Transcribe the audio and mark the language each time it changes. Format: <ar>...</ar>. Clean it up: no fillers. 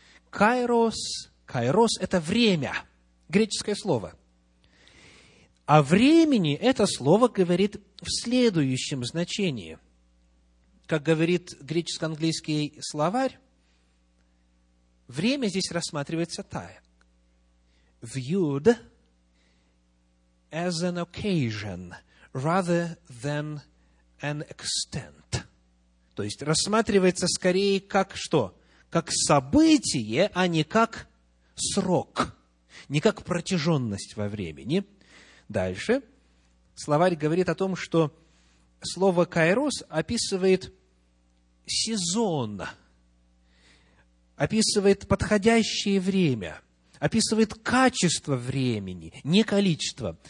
<ru>«Кайрос», «кайрос» – это «время». Греческое слово. А времени это слово говорит в следующем значении. Как говорит греческо-английский словарь, время здесь рассматривается так.</ru> <en>Viewed as an occasion rather than an extent.</en> <ru>То есть рассматривается скорее как что? Как событие, а не как срок. Не как протяженность во времени. Дальше. Словарь говорит о том, что слово «кайрос» описывает сезон, описывает подходящее время, описывает качество времени, не количество.</ru>